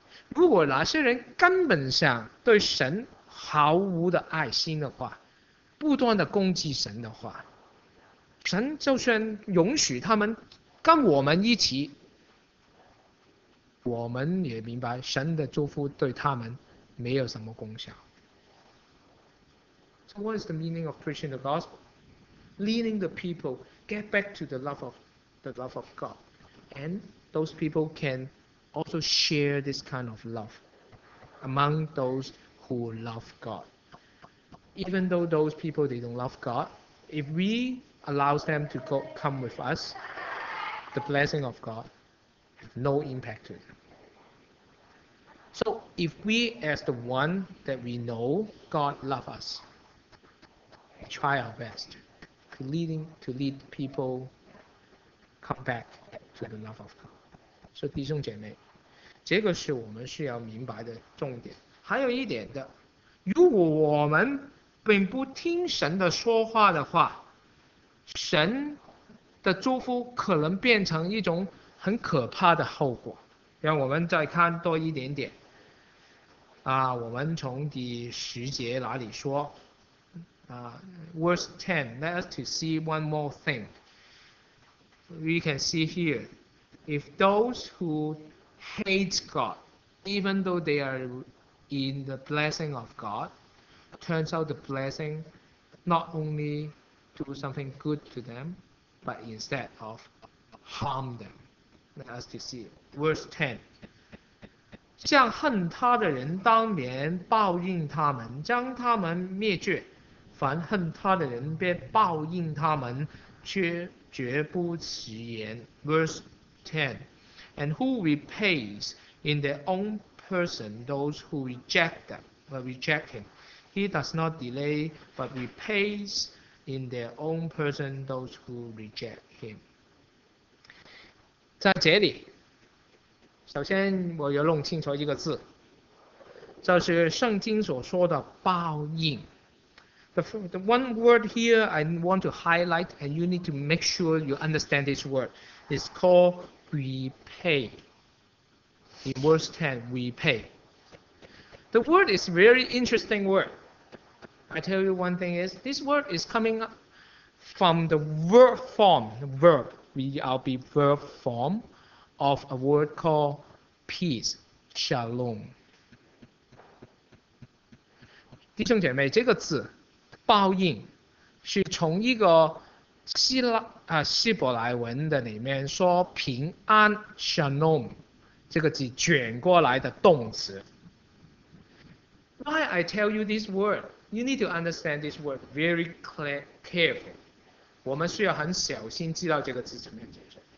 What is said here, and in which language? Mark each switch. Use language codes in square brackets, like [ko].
[zh] 如果哪些人根本上对神毫无的爱心的话，不断的攻击神的话，神就算允许他们跟我们一起，我们也明白神的祝福对他们没有什么功效。 [en] So what is the meaning of preaching the gospel? Leading the people get back to the love of God, and those people can also share this kind of love among those who love God. Even though those people they don't love God, if we allow them to go come with us, the blessing of God have no impact to them. So if we as the one that we know God love us, try our best to lead people come back to the love of God. [zh] 所以弟兄姐妹，这个是我们需要明白的重点。还有一点的，如果我们并不听神的说话的话，神的祝福可能变成一种很可怕的后果。让我们再看多一点点。啊，我们从第十节哪里说？ [en] 啊，verse ten. Let us to see one more thing. We can see here, if those who hate God, even though they are in the blessing of God, turns out the blessing not only do something good to them, but instead of harm them. Let us to see verse ten. [zh] 像恨他的人当年报应他们，将他们灭绝；凡恨他的人便报应他们，却绝不迟延。 [en] Verse ten. And who repays in their own person those who reject them, but reject him? He does not delay, but repays in their own person those who reject him. [zh] 在这里，首先我要弄清楚一个字，就是圣经所说的报应。 [en] The one word here I want to highlight, and you need to make sure you understand this word, is called repay. In verse 10, repay. The word is very interesting word. I tell you one thing is, this word is coming from the verb form, verb, V-R-B, verb form, of a word called peace, shalom. [zh] 弟兄姐妹，这个字报应是从一个希伯来文的里面说平安 shalom 这个字卷过来的动词。 [en] Why I tell you this word? You need to understand this word very careful. [zh] 我们需要很小心知道这个字怎么样解释。